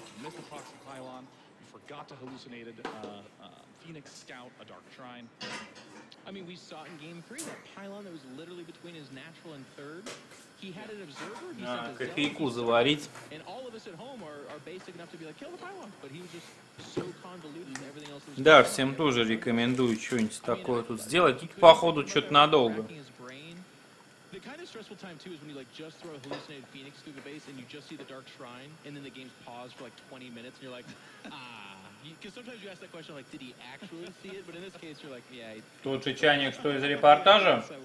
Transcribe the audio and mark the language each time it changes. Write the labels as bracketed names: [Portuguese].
[English] Miss a proxy pylon. Forgot to hallucinated Phoenix Scout, a Dark Shrine. I mean, we saw in game three that pylon that was literally between his natural and third. He had an observer. [Russian] Кофейку заварить. [English] And all of us at home are basic enough to be like, kill the pylon. But he was just so convoluted and everything else. [Russian] Да, всем тоже рекомендую что-нибудь такое тут сделать. Тут походу что-то надолго. [English] The kind of stressful time too is when you like just throw a hallucinated phoenix through the base and you just see the Dark Shrine and then the game's paused for like 20 minutes and you're like, because sometimes you ask that question like, did he actually see it? But in this case, you're like, yeah. [Russian] Тут же чайник, что из репортажа?